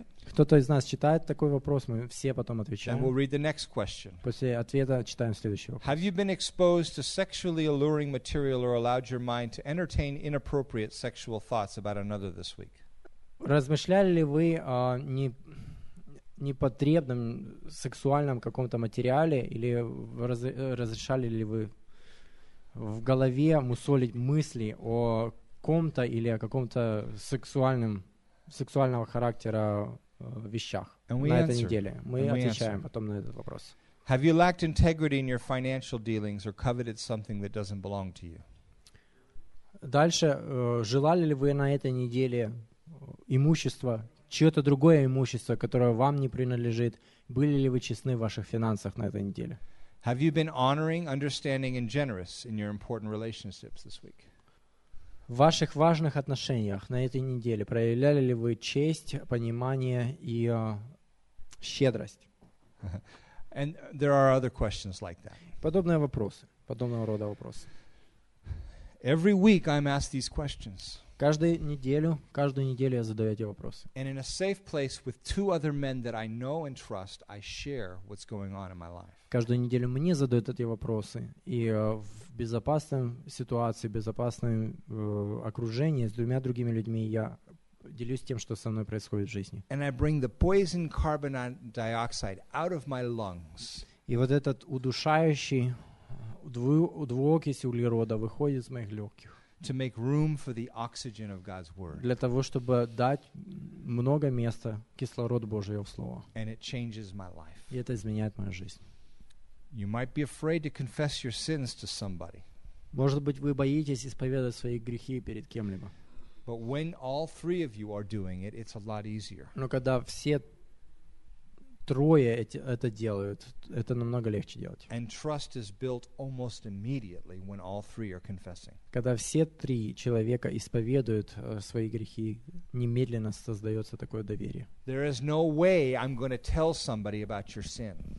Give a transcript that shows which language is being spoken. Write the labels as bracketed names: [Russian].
[Russian] Кто-то из нас читает такой вопрос, мы все потом отвечаем. [English] We'll read the next question. [Russian] После ответа читаем следующий вопрос. [English] Have you been exposed to sexually alluring material or allowed your mind to entertain inappropriate sexual thoughts about another this week? [Russian] Размышляли ли вы непотребном сексуальном каком-то материале или разрешали ли вы в голове мусолить мысли о ком-то или о каком-то сексуального характера вещах на этой неделе? Мы отвечаем потом на этот вопрос. [English] Have you lacked integrity in your financial dealings or coveted something that doesn't belong to you? [Russian] Дальше, желали ли вы на этой неделе имущество, чье-то другое имущество, которое вам не принадлежит? Были ли вы честны в ваших финансах на этой неделе? [English] Have you been honoring, understanding, and generous in your important relationships this week? [Russian] В ваших важных отношениях на этой неделе проявляли ли вы честь, понимание и щедрость? [English] And there are other questions like that. [Russian] Подобные вопросы, подобного рода вопросы. [English] Every week I'm asked these questions. [Russian] Каждую неделю я задаю эти вопросы. [English] And in a safe place with two other men that I know and trust, I share what's going on in my life. [Russian] Каждую неделю мне задают эти вопросы, и в безопасном ситуации, в безопасном окружении с двумя другими людьми я делюсь тем, что со мной происходит в жизни. [English] And I bring the poison carbon dioxide out of my lungs. [Russian] И вот этот удушающий двуокись углерода выходит из моих легких. [English] To make room for the oxygen of God's word. [Russian] Для того, чтобы дать много места кислороду Божьему в Слово. [English] And it changes my life. [Russian] И это изменяет мою жизнь. [English] You might be afraid to confess your sins to somebody. [Russian] Может быть, вы боитесь исповедовать свои грехи перед кем-либо. [English] But when all three of you are doing it, it's a lot easier. [Russian] Но когда все трое это делают, это намного легче делать. [English] And trust is built almost immediately when all three are confessing. [Russian] Когда все три человека исповедуют свои грехи, немедленно создается такое доверие. [English] There is no way I'm going to tell somebody about your sin.